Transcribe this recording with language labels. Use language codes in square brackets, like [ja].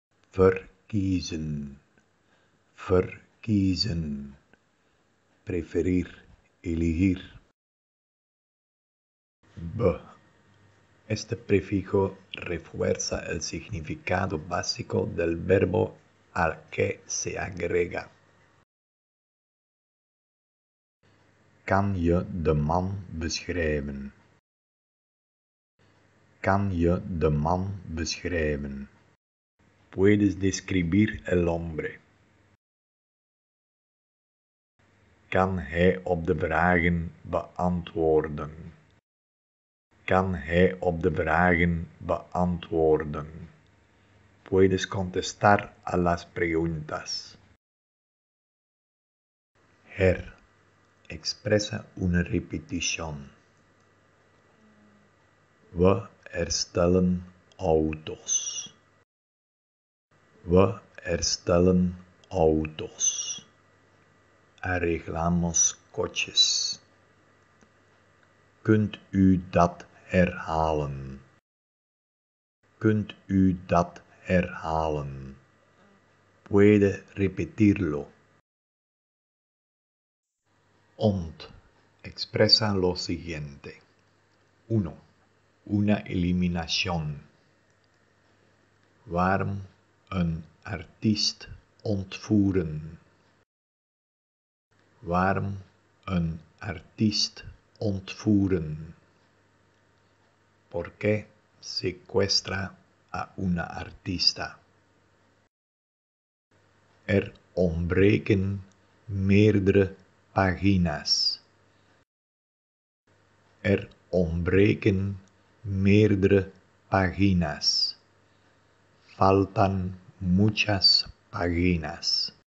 [nl] Verkiezen. Verkiezen. [es] Preferir. Elegir. B. Este prefijo refuerza el significado básico del verbo al que se agrega. [nl] Kan je de man beschrijven? Kan je de man beschrijven? [es] Puedes describir el hombre. [nl] Kan hij op de vragen beantwoorden? Kan hij op de vragen beantwoorden? [es] Puedes contestar a las preguntas. Her. Expresa una repetición. [nl] We herstellen autos. We herstellen autos. [es] Arreglamos coches. [nl] Kunt u dat herhalen? Kunt u dat herhalen? [es] Puede repetirlo. Ont. Expresa lo siguiente. 1. una eliminación. [nl] Waarom een artiest ontvoeren? Waarom een artiest ontvoeren? [es] ¿Por qué secuestra a una artista? [nl] Er ontbreken meerdere pagina's. Er ontbreken meerdere pagina's. [es] Faltan muchas páginas.